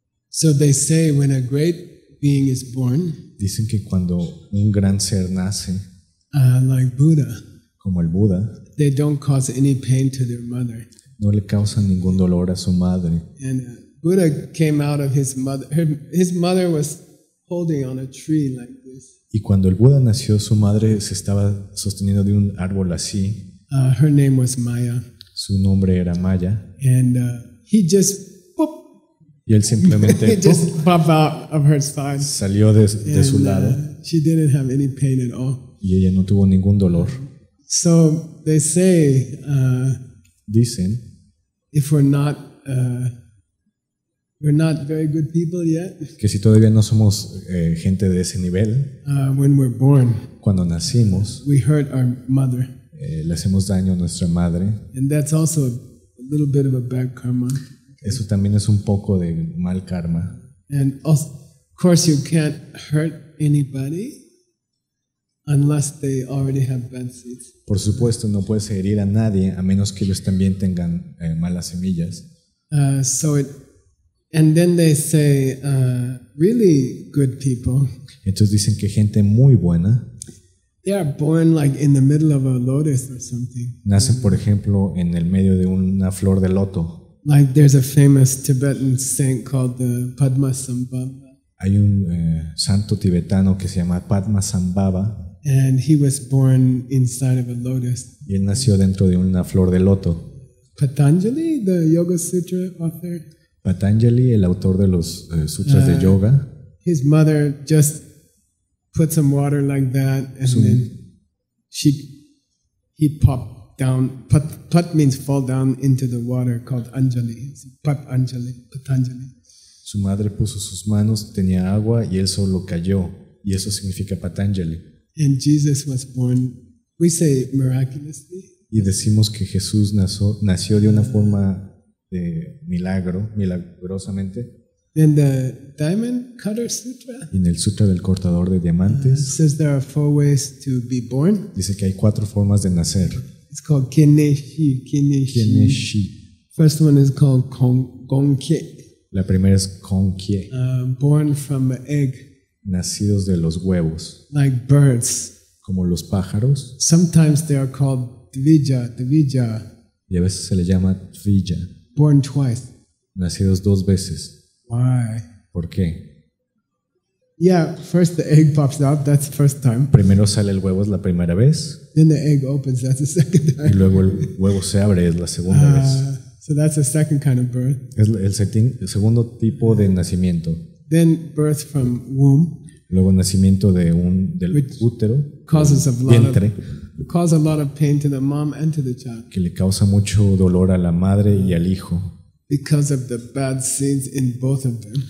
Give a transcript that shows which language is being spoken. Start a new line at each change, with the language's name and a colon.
English: So they say when a great being is born,
Spanish: dicen que cuando un gran ser nace,
English: like Buddha,
Spanish: como el Buda,
English: they don't cause any pain to their mother.
Spanish: No le causan ningún dolor a su madre.
English: And Buddha came out of his mother. His mother was holding on a tree like this.
Spanish: Y cuando el Buda nació, su madre se estaba sosteniendo de un árbol así.
English: Her name was Maya.
Spanish: Su nombre era Maya.
English: And he just pop.
Spanish: Y él simplemente
English: just popped out of her spine.
Spanish: Salió de su lado.
English: She didn't have any pain at all.
Spanish: Y ella no tuvo ningún dolor.
English: So they say.
Spanish: Dicen.
English: If we're not we're not very good people yet.
Spanish: Que si todavía no somos gente de ese nivel.
English: When we're born,
Spanish: cuando nacimos,
English: we hurt our mother.
Spanish: Le hacemos daño a nuestra madre.
English: And that's also a little bit of a bad karma.
Spanish: Eso también es un poco de mal karma.
English: And also, of course, you can't hurt anybody unless they already have bad seeds.
Spanish: Por supuesto, no puedes herir a nadie a menos que ellos también tengan malas semillas.
English: And then they say, really good people.
Spanish: Entonces dicen que gente muy buena.
English: They are born like in the middle of a lotus or something.
Spanish: Nacen, por ejemplo, en el medio de una flor de loto.
English: Like there's a famous Tibetan saint called the Padmasambhava.
Spanish: Hay un santo tibetano que se llama Padmasambhava.
English: And he was born inside of a lotus.
Spanish: Y él nació dentro de una flor de loto.
English: Patanjali, the Yoga Sutra author.
Spanish: Patanjali, el autor de los sutras de yoga.
English: His mother just put some water like that, and then he popped down. Pat means fall down into the water called Anjali. Patanjali, Patanjali.
Spanish: Su madre puso sus manos, tenía agua, y él solo cayó, y eso significa Patanjali.
English: And Jesus was born, we say miraculously.
Spanish: Y decimos que Jesús nació de una forma de milagro, milagrosamente.
English: In the Diamond Cutter Sutra.
Spanish: En el Sutra del Cortador de Diamantes.
English: Says there are four ways to be born.
Spanish: Dice que hay cuatro formas de nacer.
English: It's called Kineshi. Kineshi.
Spanish: Kineshi.
English: First one is called Gonkye.
Spanish: La primera es Gonkye.
English: Born from an egg.
Spanish: Nacidos de los huevos.
English: Like birds.
Spanish: Como los pájaros.
English: Sometimes they are called Dvija, Dvija.
Spanish: Y a veces se le llama Dvija.
English: Born twice.
Spanish: Nacidos dos veces.
English: Why?
Spanish: ¿Por qué?
English: Yeah, first the egg pops out, that's the first time.
Spanish: Primero sale el huevo, es la primera vez.
English: Then the egg opens, that's the second time.
Spanish: Y luego el huevo se abre, es la segunda vez.
English: So that's the second kind of birth.
Spanish: Es el segundo tipo de nacimiento.
English: Then birth from womb.
Spanish: Luego nacimiento del útero.
English: Causes
Spanish: del vientre.
English: Cause a lot of pain to the mom and to the child.
Spanish: Que le causa mucho dolor a la madre y al hijo.
English: Because of the bad seeds in both of them.